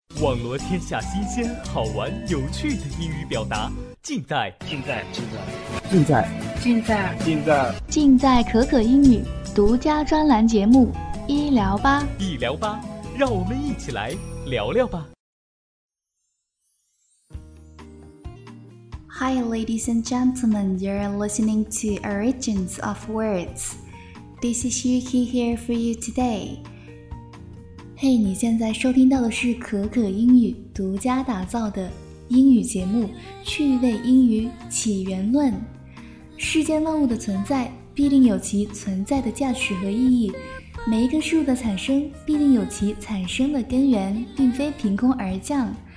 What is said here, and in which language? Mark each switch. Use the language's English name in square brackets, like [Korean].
[Chinese] 网罗天下新鲜好玩有趣的英语表达，尽在可可英语独家专栏节目医疗吧。医疗吧，让我们一起来聊聊吧。 [English] Hi, ladies and gentlemen, you're listening to Origins of Words. This is Yuki here for you today. [Chinese] Hey, 你现在收听到的是可可英语独家打造的英语节目《趣味英语起源论》。世间万物的存在必定有其存在的价值和意义，每一个事物的产生必定有其产生的根源，并非凭空而降。